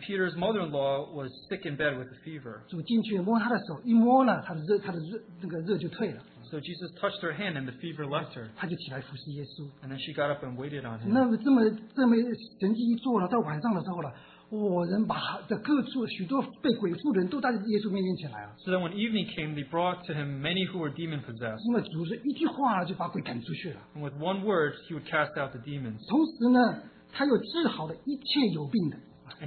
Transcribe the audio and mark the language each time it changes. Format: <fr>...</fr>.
<en>Peter's mother-in-law was sick in bed with a fever.</en> <zh>主进去摸她的手，一摸呢，她的热，她的热那个热就退了。</zh> <en>So Jesus touched her hand, and the fever left her.</en> <zh>她就起来服侍耶稣。</zh> <en>And then she got up and waited on him.</en> <zh>那么这么神迹一做了，到晚上的时候了，我人把各处许多被鬼附的人都带到耶稣面前来了。</zh> <en>So then when evening came, they brought to him many who were demon-possessed.</en> <zh>那么主是一句话就把鬼赶出去了。</zh> <en>And with one word, he would cast out the demons.</en> <zh>同时呢，他又治好了一切有病的。</zh> <en>And</en>